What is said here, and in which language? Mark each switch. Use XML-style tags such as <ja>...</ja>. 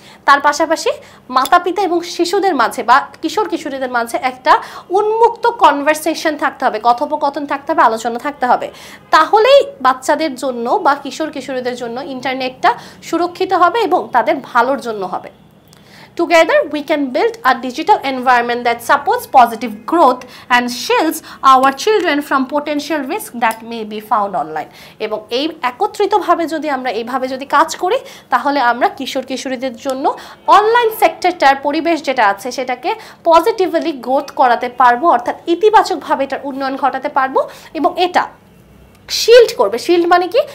<bn>তার পাশাপাশি মাতা পিতা এবং শিশুদের মাঝে বা কিশোর কিশোরীদের মাঝে একটা উন্মুক্ত কনভারসেশন থাকতে হবে, কথোপকথন থাকতে হবে, আলোচনা থাকতে হবে, তাহলেই বাচ্চাদের জন্য বা কিশোর কিশোরীদের জন্য ইন্টারনেটটা সুরক্ষিত হবে এবং তাদের ভালোর জন্য হবে।</bn> <en>Together, we can build a digital environment that supports positive growth and shields our children from potential risk that may be found online.</en> <bn>এবং এই একত্রিতভাবে যদি আমরা এইভাবে যদি কাজ করি, তাহলে আমরা কিশোর কিশোরীদের জন্য অনলাইন সেক্টরটার পরিবেশ যেটা আছে সেটাকে পজিটিভলি গ্রোথ করাতে পারবো, অর্থাৎ ইতিবাচকভাবে এটার উন্নয়ন ঘটাতে পারবো এবং এটা শিল্ড করবে। শিল্ড মানে কি?</bn>